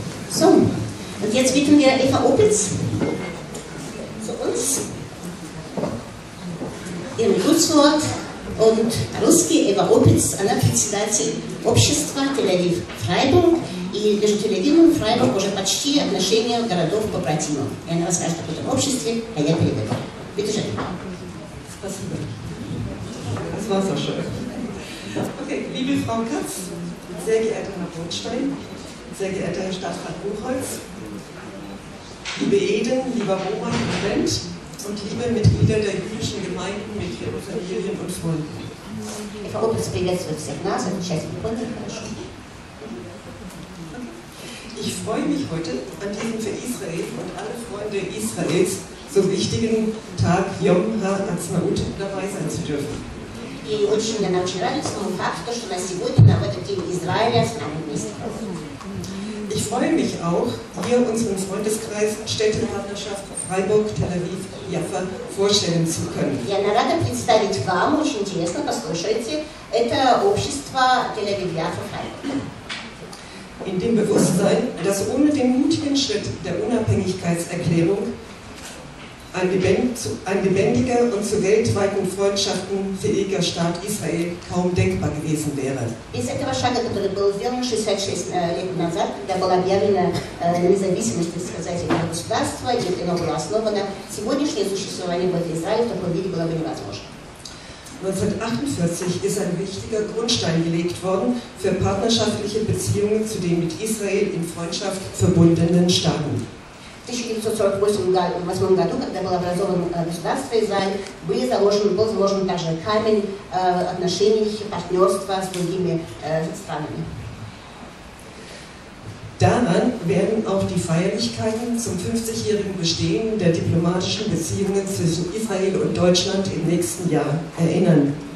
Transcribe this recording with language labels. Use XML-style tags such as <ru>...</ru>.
<de>So, und jetzt bitten wir Eva Opitz</de> <ru>zu uns, ihr Kurzwort und Ruski Eva Opitz, она председатель общества Тель-Авив Фрайбург и между Тель-Авивом и Фрайбург уже почти отношения городов побратимов. И она расскажет об этом обществе, а я передаю.</ru> <de>Bitte schön.</de> <ru>Спасибо.</ru> <de>Das war so schön. Okay, liebe Frau Katz, sehr geehrter Herr Rothstein, sehr geehrter Herr Stadtrat Buchholz, liebe Eden, lieber Roman und Wendt und liebe Mitglieder der jüdischen Gemeinden mit ihren Familien und Freunden. Frau Opitz, bin jetzt für die Nase, ich heiße die Kunde. Ich freue mich heute an diesem für Israel und alle Freunde Israels so wichtigen Tag Yom HaAtzmaut dabei sein zu dürfen.</de> <ru>И очень, она очень радуется тому факту, что она сегодня на этот день Израиля с нами вместе.</ru> <de>Ich freue mich auch, hier unseren Freundeskreis Städtepartnerschaft Freiburg, Tel Aviv, Jaffa vorstellen zu können.</de> <ru>Я рада представить вам, очень интересно, послушайте, это общество Tel Aviv, Jaffa, Freiburg.</ru> <de>In dem Bewusstsein, dass ohne den mutigen Schritt der Unabhängigkeitserklärung ein lebendiger und zu weltweiten Freundschaften fähiger Staat Israel kaum denkbar gewesen wäre.</de> <ru>Bis этого шага, который был сделан 66 лет назад, когда была объявлена независимость, так сказать, этого государства, и оно было основано, сегодняшнее существование в Израиле в таком виде было бы невозможно.</ru> <de>1948 ist ein wichtiger Grundstein gelegt worden für partnerschaftliche Beziehungen zu den mit Israel in Freundschaft verbundenen Staaten.</de> <ru>В 1948 году, когда было образовано государство Израиль, был заложен также камень отношений, партнерства с другими странами.</ru> <de>Daran werden auch die Feierlichkeiten zum 50-jährigen Bestehen der diplomatischen Beziehungen zwischen Israel und Deutschland im nächsten Jahr erinnern.</de>